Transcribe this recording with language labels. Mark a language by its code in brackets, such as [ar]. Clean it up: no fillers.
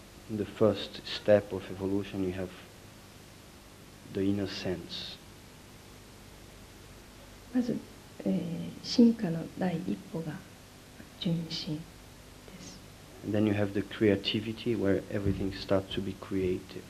[en] In the first step of evolution, you have the inner sense. [ja] まず、進化の第一歩が純真です。 [en] And then you have the creativity where everything starts to be created.